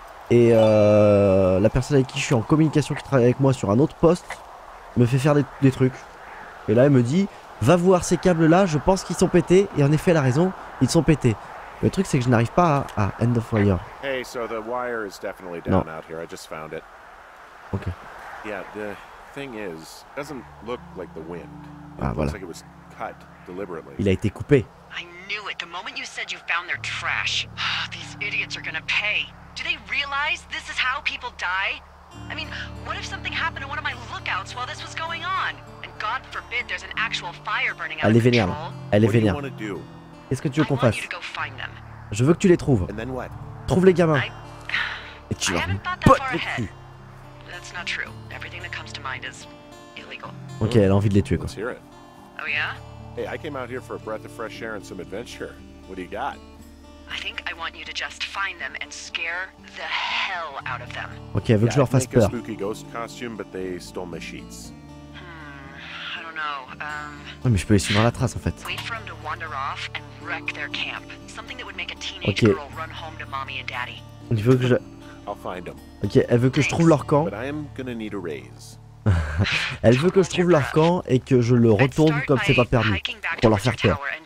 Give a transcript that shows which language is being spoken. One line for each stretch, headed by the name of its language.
French: Et la personne avec qui je suis en communication, qui travaille avec moi sur un autre poste, me fait faire des trucs. Et là, elle me dit, va voir ces câbles-là, je pense qu'ils sont pétés. Et en effet, elle a raison, ils sont pétés. Le truc, c'est que je n'arrive pas à End of Wire.
English: Hey, so the wire is definitely down out here. I just found it. Ok. Yeah, the thing is, it doesn't look like the wind. It
French: ah, voilà.
English: Like it was cut deliberately.
French: Il a été coupé.
English: I knew it. The moment you said you found their trash, these idiots are gonna pay. Do they realize this is how people die? I mean, what if something happened to one of my lookouts while this was going on? God forbid there's an actual fire burning out.
French: Elle est vénère. Elle est vénère. Qu'est-ce que tu veux qu'on fasse? Je veux que tu les trouves.
English: And then what?
French: Trouve les gamins. Et tu leur pote les cul.
English: That's not true. Everything that comes to mind is illegal.
French: Ok, elle a envie de les tuer, quoi.
English: Oh, yeah? Hey, I came out here for a breath of fresh air and some adventure. What do you got? I think I want you to just find them and scare the hell out of them.
French: Okay, veux que je leur fasse peur.
English: A spooky ghost costume, but they stole my sheets. I don't know.
French: Non, mais je peux les suivre à la trace, en fait.
English: Wait for them to wander off and wreck their camp. Something that would make a teenage girl run home to mommy and daddy.
French: Il veut que je...
English: I'll find them.
French: Ok, elle veut que je trouve leur camp.
English: But I am gonna need a raise.
French: Elle veut que je trouve leur camp et que je le retourne comme c'est pas permis pour leur faire peur.